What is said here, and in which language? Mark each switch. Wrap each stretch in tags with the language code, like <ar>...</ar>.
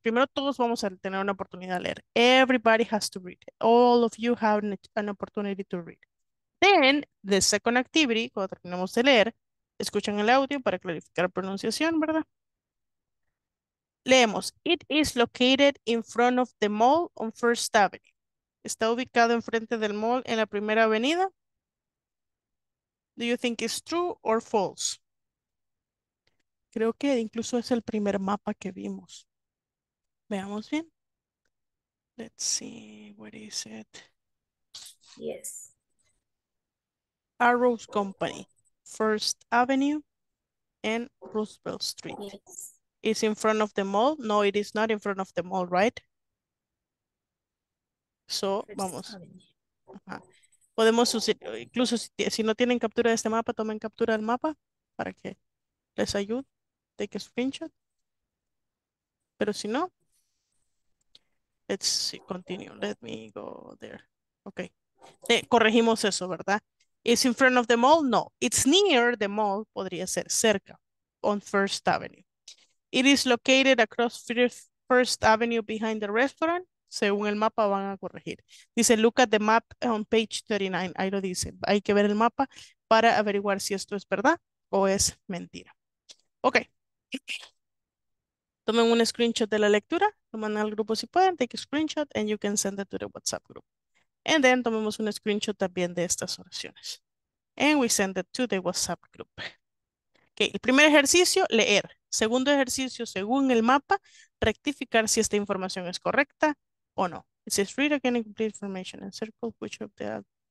<es>Primero todos vamos a tener una oportunidad de leer.</es> <en>Everybody has to read. All of you have an opportunity to read. Then, the second activity,</en> <es>cuando terminamos de leer, escuchan el audio para clarificar pronunciación, ¿verdad? Leemos.</es> <en>It is located in front of the mall on First Avenue.</en> <es>¿Está ubicado enfrente del mall en la primera avenida?</es> <en>Do you think it's true or false?</en> <es>Creo que incluso es el primer mapa que vimos. Veamos bien.</es> <en>Let's see, what is it? Yes. Arrows Company, First Avenue and Roosevelt Street. Yes. Is in front of the mall? No, it is not in front of the mall, right? So, First</en> <es>vamos.</es> <en>Avenue.</en> <es>Podemos, incluso si no tienen captura de este mapa, tomen captura del mapa para que les ayude.</es> <en>Take a screenshot.</en> <es>Pero si no,</es> <en>let's continue. Let me go there. Okay.</en> <es>Corregimos eso, ¿verdad?</es> <en>Is in front of the mall? No. It's near the mall.</en> <es>Podría ser cerca.</es> <en>On First Avenue. It is located across First Avenue behind the restaurant.</en> <es>Según el mapa van a corregir. Dice,</es> <en>look at the map on page 39.</en> <es>Ahí lo dice. Hay que ver el mapa para averiguar si esto es verdad o es mentira. Okay. Tomen un screenshot de la lectura, lo mandan al grupo si pueden,</es> <en>take a screenshot and you can send it to the WhatsApp group. And then</en> <es>tomemos un screenshot también de estas oraciones.</es> <en>And we send it to the WhatsApp group.</en> <es>Okay, el primer ejercicio, leer. Segundo ejercicio, según el mapa, rectificar si esta información es correcta o no.</es> <en>It says read again and complete information and circle which of the...</en>